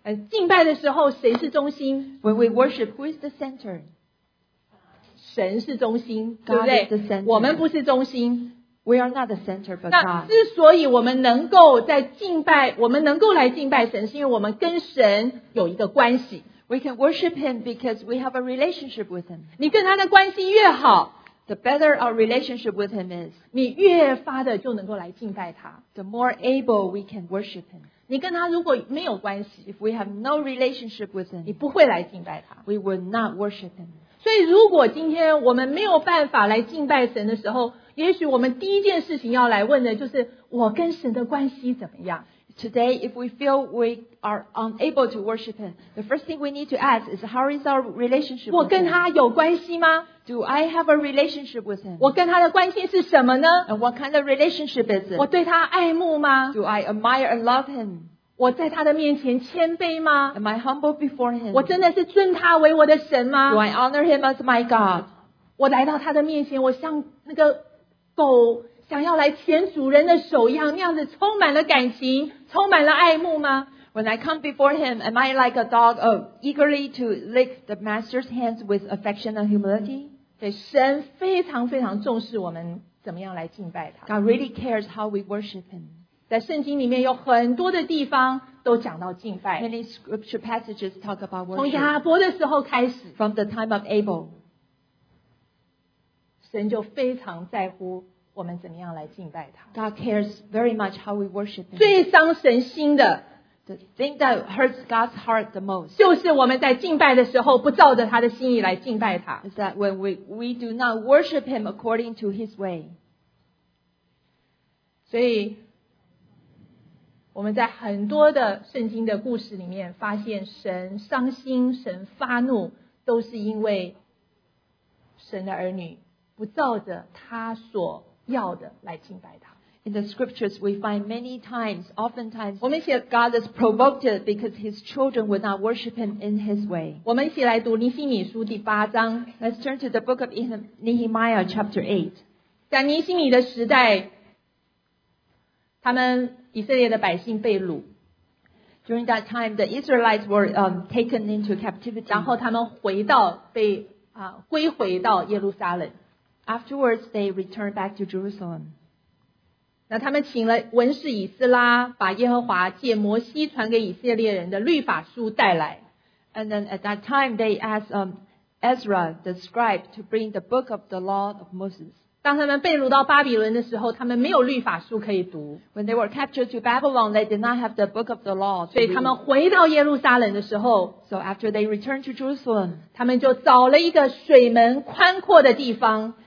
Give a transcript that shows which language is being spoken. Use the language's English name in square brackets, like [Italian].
[Chinese] 敬拜的时候，谁是中心？ [English] When we worship, who is the center? [Chinese] 神是中心， [English] God [Chinese] 对不对？ [English] is the center. [Chinese] 我们不是中心。 [English] We are not the center, but God. [Chinese] 那之所以我们能够在敬拜，我们能够来敬拜神，是因为我们跟神有一个关系。 [English] We can worship him because we have a relationship with him. [Chinese] 你跟他的关系越好， [English] the better our relationship with him is. [Chinese] 你越发的就能够来敬拜他， [English] the more able we can worship him. [Chinese] 你跟他如果没有关系， [English] if we have no relationship with him, [Chinese] 你不会来敬拜他， [English] we will not worship him. [Chinese] 所以如果今天我们没有办法来敬拜神的时候，也许我们第一件事情要来问的就是我跟神的关系怎么样。 [English] Today, if we feel we are unable to worship him, the first thing we need to ask is, how is our relationship with him? [Chinese] 我跟他有关系吗？ [English] Do I have a relationship with him? [Chinese] 我跟他的关系是什么呢？ [English] And what kind of relationship is it? [Chinese] 我对他爱慕吗？ [English] Do I admire and love him? [Chinese] 我在他的面前谦卑吗？ [English] Am I humble before him? [Chinese] 我真的是尊他为我的神吗？ [English] Do I honor him as my God? [Chinese] 我来到他的面前，我像那个狗想要来舔主人的手一样，那样子充满了感情，充满了爱慕吗？ [English] When I come before him, am I like a dog eagerly to lick the master's hands with affection and humility? [Chinese] 对，神非常非常重视我们怎么样来敬拜他。 [English] God really cares how we worship him. [Chinese] 在圣经里面有很多的地方都讲到敬拜。 [English] Many scripture passages talk about worship. [Chinese] 从亚伯的时候开始。 [English] From the time of Abel. [Chinese] 神就非常在乎我们怎么样来敬拜他。 [English] God cares very much how we worship him. [Chinese] 最伤神心的， [English] the thing that hurts God's heart the most, [Chinese] 就是我们在敬拜的时候不照着他的心意来敬拜他。 [English] Is that when we do not worship him according to his way. [Chinese] 所以我们在很多的圣经的故事里面发现，神伤心，神发怒，都是因为神的儿女不照着他所要的来敬拜他。 [English] In the scriptures, we find many times, oftentimes, God is provoked because his children would not worship him in his way. [Chinese] 我们一起来读尼希米书第八章。 [English] Let's turn to the book of Nehemiah, chapter 8. [Chinese] 在尼希米的时代，他们以色列的百姓被掳。 [English] During that time, the Israelites were taken into captivity. [Chinese] 然后他们回到被归回到耶路撒冷。 [English] Afterwards, they returned back to Jerusalem. [Chinese] 那他们请了文士以斯拉，把耶和华借摩西传给以色列人的律法书带来。 [English] And then at that time, they asked Ezra, the scribe, to bring the book of the law of Moses. [Chinese] 当他们被掳到巴比伦的时候，他们没有律法书可以读。 [English] When they were captured to Babylon, they did not have the book of the law. [Chinese] 所以他们回到耶路撒冷的时候 [English] ，So after they returned to Jerusalem, [Chinese] 他们就找了一个水门宽阔的地方。